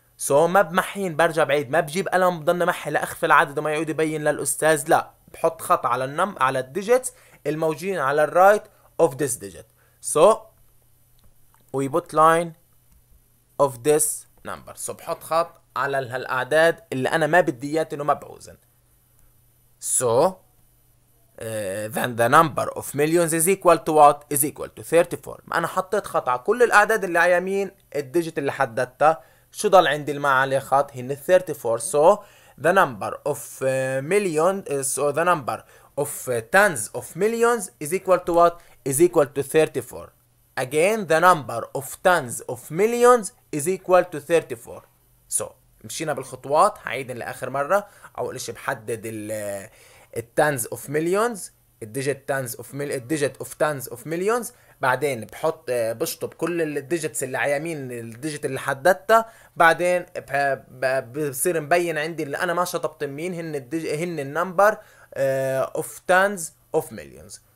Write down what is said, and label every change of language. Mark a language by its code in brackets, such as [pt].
[ar] سو ما بمحيين، برجع بعيد، ما بجيب قلم بضلنا محي لاخفي العدد وما يعود يبين للاستاذ، لا، بحط خط على على الديجيتس الموجودين على الرايت اوف ذس ديجيت. [en] So we put line of this number. [ar] So بحط خط على هالأعداد اللي أنا ما بدي إياه إنه ما بعوزن. [en] So then the number of millions is equal to what? Is equal to 34. [ar] ما أنا حطيت خط على كل الأعداد اللي على يمين الديجيت اللي حددته، شو ضل عندي الما عليه خط؟ هن 34. [en] So the number of millions so the number of tens of millions is equal to what? Is equal to 34. Again, the number of tens of millions is equal to 34. [ar] So, مشينا بالخطوات، هعيدن لآخر مرة. أول إشي بحدد الـ tens of millions، الديجيت of tens of millions. بعدين بحط بشطب كل الديجيتس اللي على يمين الديجيت اللي حددته. بعدين بصير مبين عندي اللي أنا ما شطبت مين، هن النمبر of tens of millions.